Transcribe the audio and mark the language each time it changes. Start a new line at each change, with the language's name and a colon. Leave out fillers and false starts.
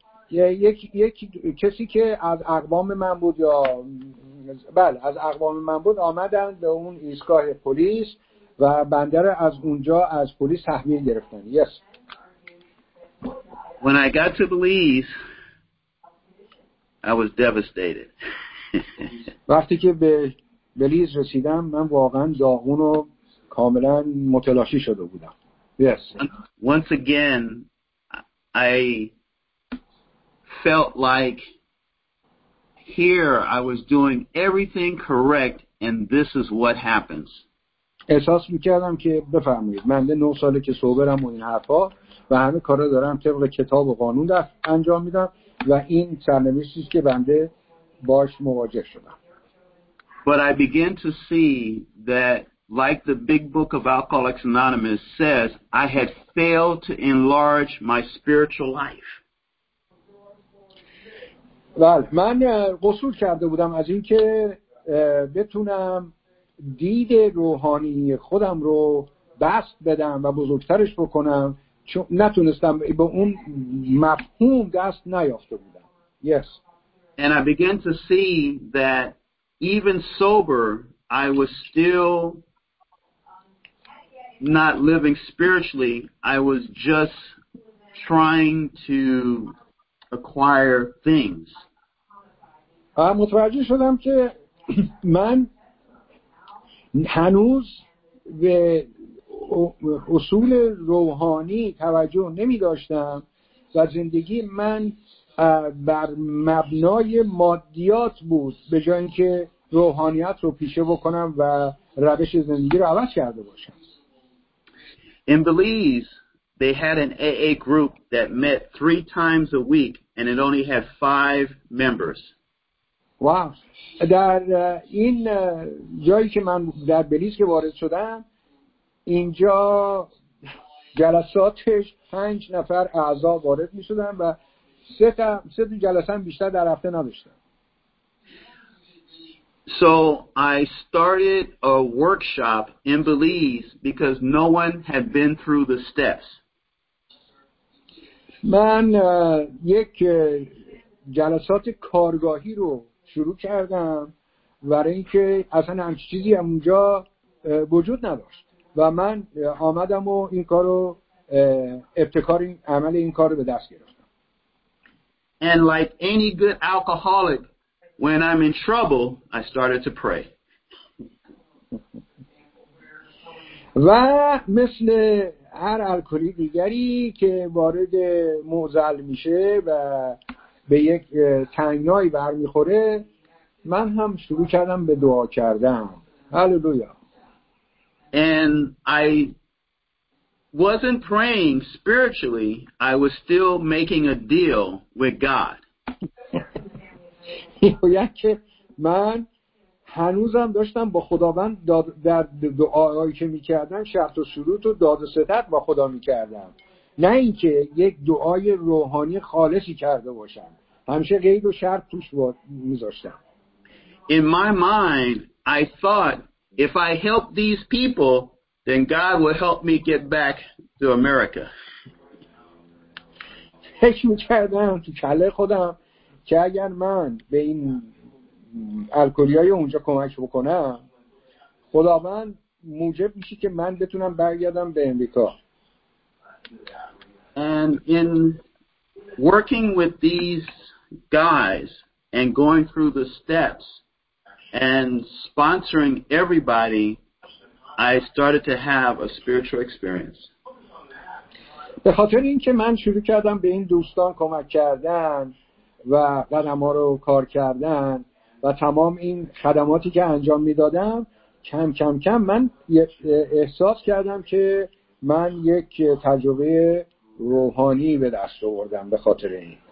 Persian: یک کسی که از اقوام من بود از اقوام من بود آمدند به اون ایستگاه پلیس و بنده را از اونجا از پلیس تحویل گرفتن.
English: Yes. When I got to Belize, I was devastated.
Persian: وقتی که به بلیز رسیدم من واقعا داغون و کاملا متلاشی شده بودم.
English: Yes. Once again, I felt like here I was doing everything correct and this is what happens.
Persian: احساس میکردم که بفهمید من به 9 ساله که صبرم و این حرفا و همه کارا دارم طبق کتاب و قانون دست انجام میدم و این سرنوشتی است که بنده باش مواجه شدم.
English: But I began to see that like the big book of Alcoholics Anonymous says, I had failed to enlarge my spiritual life.
Persian: بله من قصور کرده بودم از اینکه بتونم دید روحانی خودم رو بسط بدم و بزرگترش بکنم چون نتونستم به اون مفهوم دست نیافته بودم.
English: Yes. And I began to see that even sober, I was still not living spiritually. I was just trying to acquire things.
Persian: متوجه شدم که من هنوز به اصول روحانی توجه نمی داشتم و زندگی من بر مبنای مادیات بود به جای اینکه روحانیت رو پیشه بکنم و روش زندگی رو عوض کرده باشم.
English: In Belize, they had an AA group that met 3 times a week and it only had 5 members.
Persian: واو. در این جایی که من در بلیز که وارد شدم اینجا جلساتش 5 نفر اعضا وارد می شدن و سه تا جلسه هم بیشتر در هفته نداشتم.
English: So I started a workshop in Belize because no one had been through the steps.
Persian: من یک جلسات کارگاهی رو شروع کردم برای اینکه اصلا همچین چیزی هم اونجا وجود نداشت و من آمدم و این کارو ابتکار این عمل این کارو به دست گرفتم.
English: And like any good alcoholic, when I'm in trouble, I started to pray.
Persian: و مثل هر الکلی دیگری که وارد معضل میشه و به یک تنگنایی برمیخوره من هم شروع کردم به دعا کردن. هللویا.
English: And I wasn't praying spiritually. I was still making a deal with God.
Persian: یعنی که من هنوزم داشتم با خداوند در دعایی که میکردم شرط و شروط و داد و ستد با خدا میکردم. نه اینکه یک دعای روحانی خالصی کرده باشم. همیشه قید و شرط توش میذاشتم.
English: In my mind, I thought if I help these people, then God will help me get back to America.
Persian: فکر می‌کردم تو کله خودم که اگر من به این الکلی‌های اونجا کمک بکنم، خداوند موجب میشه که من بتونم برگردم به امریکا.
English: And in working with these guys and going through the steps and sponsoring everybody, I started to have a spiritual experience.
Persian: به خاطر اینکه من شروع کردم به این دوستان کمک کردن و قدم‌ها رو کار کردن و تمام این خدماتی که انجام میدادم کم کم کم من احساس کردم که من یک تجربه روحانی به دست آوردم به خاطر این.